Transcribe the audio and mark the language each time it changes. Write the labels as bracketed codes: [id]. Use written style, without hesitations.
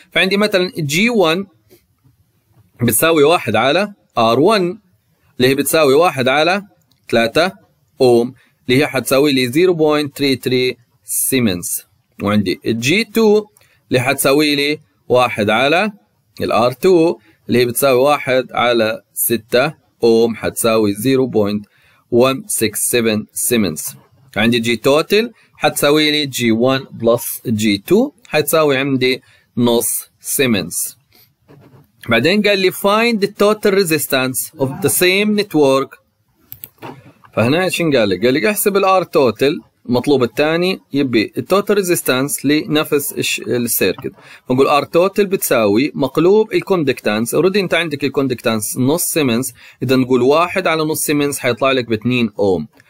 [ar] فعندي مثلا G1 بتساوي 1 على R1 اللي هي بتساوي 1 على 3 أوم اللي هي حتساوي لي 0.33 سيمنز، وعندي G2 اللي حتساوي لي 1 على الـ R2 اللي هي بتساوي 1 على 6 أوم حتساوي 0.167 سيمنز. عندي G total حتساوي لي G1 plus G2 حتساوي عندي نص سيمنز. بعدين قال لي [en] find the total resistance of the same network، ف [ar] فهنا شن قالك؟ قالك احسب الار توتل مطلوب الثاني يبي التوتال ريزيستانس لنفس السيركت. فنقول ار توتال بتساوي مقلوب الكوندكتانس. اوريدي انت عندك الكوندكتانس نص سيمنز، اذا نقول واحد على نص سيمنز حيطلع لك ب 2 اوم.